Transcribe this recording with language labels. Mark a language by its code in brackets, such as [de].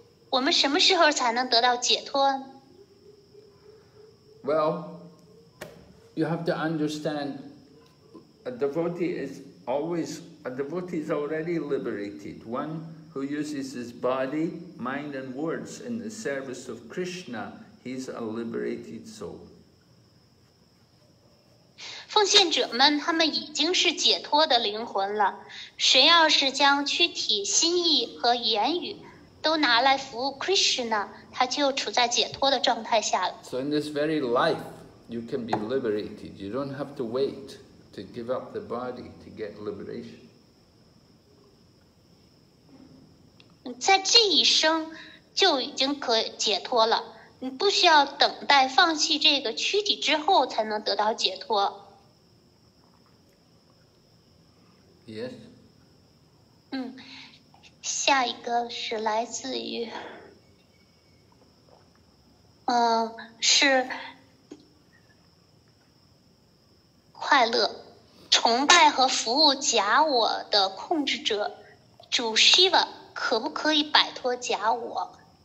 [zh] 我们什么时候才能得到解脱 [en] ？Well, you have to understand, a devotee is already liberated. One who uses his body, mind, and words in the service of Krishna. He's a liberated soul. [zh] 奉献者们，他们已经是解脱的灵魂了。谁要是将躯体、心意和言语都拿来服务 Krishna， 他就处在解脱的状态下了。 [en] So in this very life, you can be liberated. You don't have to wait to give up the body to get liberation. [zh] 在这一生就已经可解脱了。你不需要等待放弃这个躯体之后才能得到解脱。 [en] Yes. [zh] 下一个是来自于，是快乐、崇拜和服务假我的控制者，主 Shiva 可不可以摆脱假我？